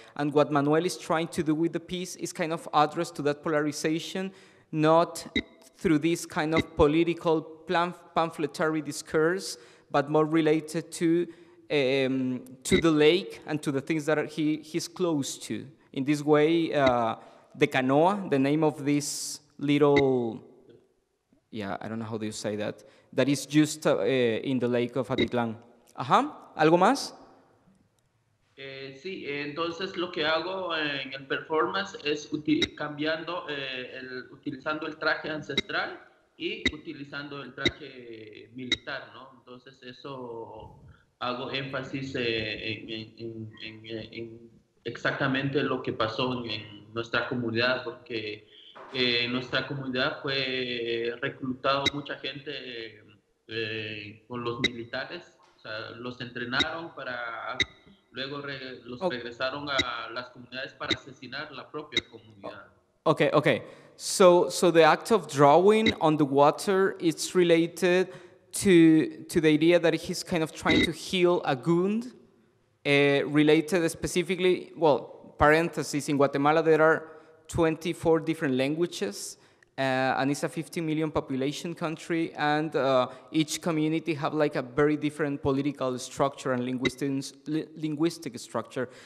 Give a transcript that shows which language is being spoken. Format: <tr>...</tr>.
<en>And what Manuel is trying to do with the piece is kind of address to that polarization, not through this kind of political pamphletary discourse, but more related to the lake and to the things that he's close to. In this way, the canoa, the name of this little, I don't know how do you say that, that is just in the lake of Atitlán.</en> <es>Ajá, ¿algo más? Sí, entonces lo que hago en el performance es utilizando el traje ancestral y utilizando el traje militar, ¿no? Entonces eso... Hago énfasis en exactamente lo que pasó en nuestra comunidad, porque en nuestra comunidad fue reclutado mucha gente con los militares. O sea, los entrenaron para luego regresaron a las comunidades para asesinar la propia comunidad.</es> <en>Okay. So the act of drawing on the water, it's related to the idea that he's kind of trying to heal a wound Related specifically, well, parentheses, in Guatemala there are 24 different languages, and it's a 50 million population country, and each community have like a very different political structure and linguistic structure.</en>